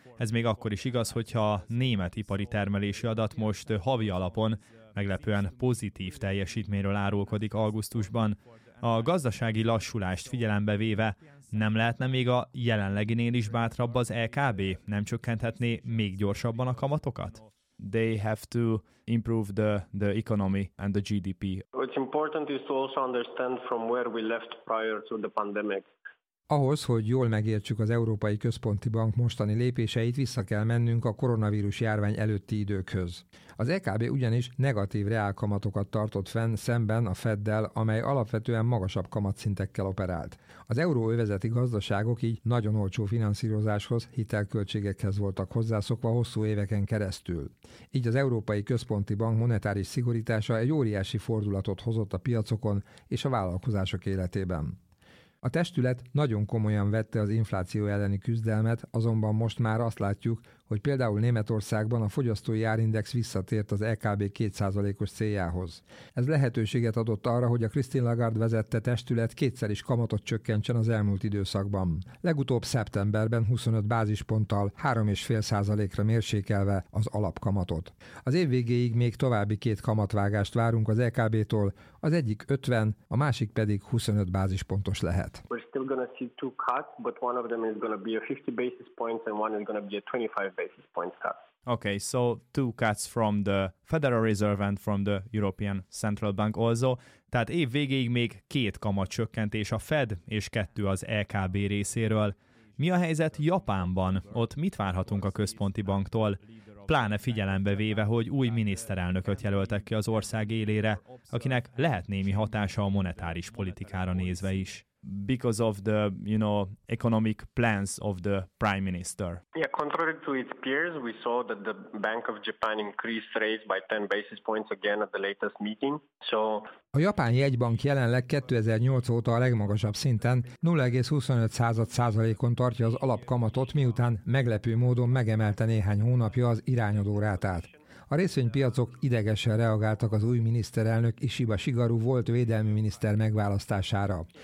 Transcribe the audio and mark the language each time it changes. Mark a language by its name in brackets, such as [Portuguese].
[Hungarian] Ez még akkor is igaz, hogyha a német ipari termelési adat most havi alapon meglepően pozitív teljesítményről árulkodik augusztusban. A gazdasági lassulást figyelembe véve, nem lehetne még a jelenleginél is bátrabb az LKB? Nem csökkenthetné még gyorsabban a kamatokat? [English] They have to improve the economy and the GDP. What's important is to also understand from where we left prior to the pandemic. [Hungarian] Ahhoz, hogy jól megértsük az Európai Központi Bank mostani lépéseit, vissza kell mennünk a koronavírus járvány előtti időkhöz. Az EKB ugyanis negatív reálkamatokat tartott fenn szemben a Feddel, amely alapvetően magasabb kamatszintekkel operált. Az euróövezeti gazdaságok így nagyon olcsó finanszírozáshoz, hitelköltségekhez voltak hozzászokva hosszú éveken keresztül. Így az Európai Központi Bank monetáris szigorítása egy óriási fordulatot hozott a piacokon és a vállalkozások életében. A testület nagyon komolyan vette az infláció elleni küzdelmet, azonban most már azt látjuk, hogy például Németországban a fogyasztói árindex visszatért az EKB 2%-os céljához. Ez lehetőséget adott arra, hogy a Christine Lagarde vezette testület kétszer is kamatot csökkentsen az elmúlt időszakban. Legutóbb szeptemberben 25 bázisponttal 3,5%-ra mérsékelve az alapkamatot. Az év végéig még további két kamatvágást várunk az EKB-tól, az egyik 50, a másik pedig 25 bázispontos lehet. [English] We're still gonna see two cuts, but one of them is gonna be a 50 basis points and one is gonna be a 25 basis points cut. Okay, so two cuts from the Federal Reserve and from the European Central Bank also. [Hungarian] Tehát év végéig még két kamat csökkentés a Fed és kettő az LKB részéről. Mi a helyzet Japánban? Ott mit várhatunk a központi banktól? Pláne figyelembe véve, hogy új miniszterelnököt jelöltek ki az ország élére, akinek lehet némi hatása a monetáris politikára nézve is. [English] Because of the, you know, economic plans of the prime minister. Yeah, contrary to its peers, we saw that the Bank of Japan increased rates by 10 basis points again at the latest meeting. So [Hungarian] a japán jegybank jelenleg 2008 óta a legmagasabb szinten 0,25%-on tartja az alapkamatot, miután meglepő módon megemelte néhány hónapja az irányadó rátát. A részvénypiacok idegesen reagáltak az új miniszterelnök Ishiba Shigaru volt védelmi miniszter megválasztására.